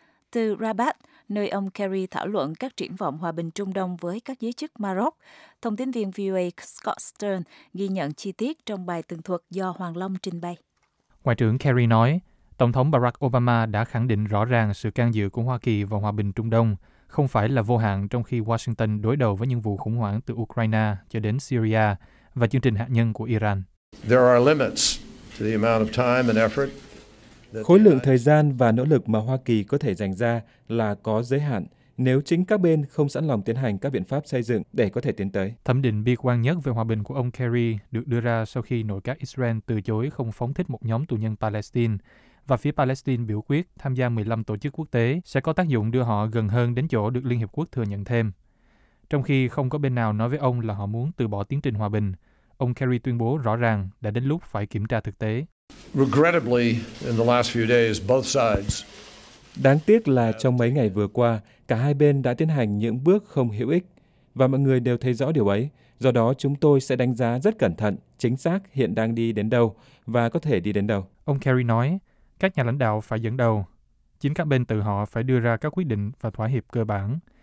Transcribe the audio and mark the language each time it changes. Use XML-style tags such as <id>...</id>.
<vi>Từ Rabat, nơi ông Kerry thảo luận các triển vọng hòa bình Trung Đông với các giới chức Maroc, thông tin viên VOA Scott Stern ghi nhận chi tiết trong bài tường thuật do Hoàng Long trình bày. Ngoại trưởng Kerry nói, Tổng thống Barack Obama đã khẳng định rõ ràng sự can dự của Hoa Kỳ vào hòa bình Trung Đông không phải là vô hạn trong khi Washington đối đầu với những vụ khủng hoảng từ Ukraine cho đến Syria và chương trình hạt nhân của Iran.</vi> <en>There are limits to the amount of time and effort.</en> <vi>Khối lượng thời gian và nỗ lực mà Hoa Kỳ có thể dành ra là có giới hạn nếu chính các bên không sẵn lòng tiến hành các biện pháp xây dựng để có thể tiến tới. Thẩm định bi quan nhất về hòa bình của ông Kerry được đưa ra sau khi nội các Israel từ chối không phóng thích một nhóm tù nhân Palestine và phía Palestine biểu quyết tham gia 15 tổ chức quốc tế sẽ có tác dụng đưa họ gần hơn đến chỗ được Liên Hiệp Quốc thừa nhận thêm. Trong khi không có bên nào nói với ông là họ muốn từ bỏ tiến trình hòa bình, ông Kerry tuyên bố rõ ràng đã đến lúc phải kiểm tra thực tế.</vi> <en>Regrettably, in the last few days, both sides.</en> <vi>Đáng tiếc là trong mấy ngày vừa qua, cả hai bên đã tiến hành những bước không hữu ích, và mọi người đều thấy rõ điều ấy. Do đó, chúng tôi sẽ đánh giá rất cẩn thận, chính xác hiện đang đi đến đâu và có thể đi đến đâu. Ông Kerry nói, các nhà lãnh đạo phải dẫn đầu. Chính các bên tự họ phải đưa ra các quyết định và thỏa hiệp cơ bản.</vi>